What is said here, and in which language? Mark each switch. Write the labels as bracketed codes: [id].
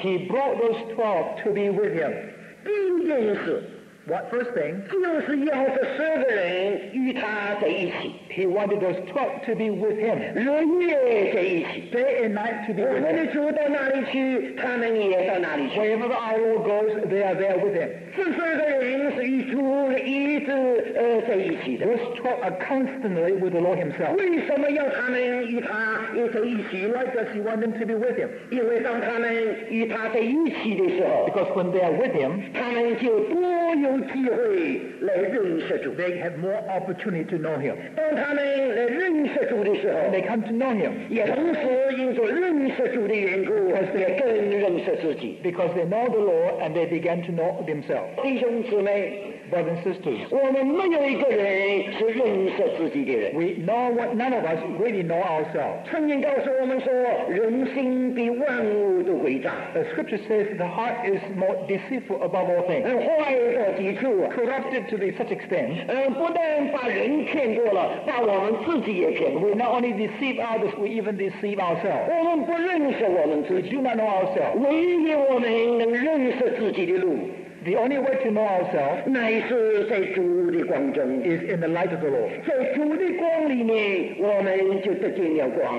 [en] He brought those 12 to be with him. [zh] 第一件事。 [en] What first thing? [zh] 就是要这十二个人与他在一起。 [en] He wanted those 12 to be with him. [zh] 日夜在一起。 [en] Day and night to be with him. [zh] 我们的主到哪里去，他们也到哪里去。 [en] Wherever our Lord goes, they are there with him. [zh] 这十二个人是与主一直在一起的。 [en] Those 12 are constantly with the Lord himself. [zh] 为什么要他们与他也在一起 [en] ？Why does he want them to be with him? [zh] 因为当他们与他在一起的时候 [en] ，Because when they are with him, [zh] 他们就多有。有机会来认识主 [en] ，They have more opportunity to know him。 [zh] 当他们来认识主的时候 [en] ，They come to know him。 [zh] 也同时因着认识主的缘故，也更认识自己。 [en] Because they know the Lord and they began to know themselves。 [zh] 弟兄姊妹 [en] ，Brothers and sisters， [zh] 我们没有一个人是认识自己的人。 [en] We know what none of us really know ourselves。 [zh] 圣经告诉我们说，人心比万物都诡诈。 [en] The scripture says the heart is more deceitful above all things。 [zh] 坏的。 [en] Corrupted to such extent, [zh] 不但把人骗过了，把我们自己也骗过。 [en] We not only deceive others, we even deceive ourselves. [zh] 我们不认识我们自己。 [en] We do not know ourselves. [zh] 唯一我们能认识自己的路。 [en] The only way to know ourselves, [zh] 乃是在主的光中。 [en] Is in the light of the Lord. [zh] 在主的光里面，我们就得见了光。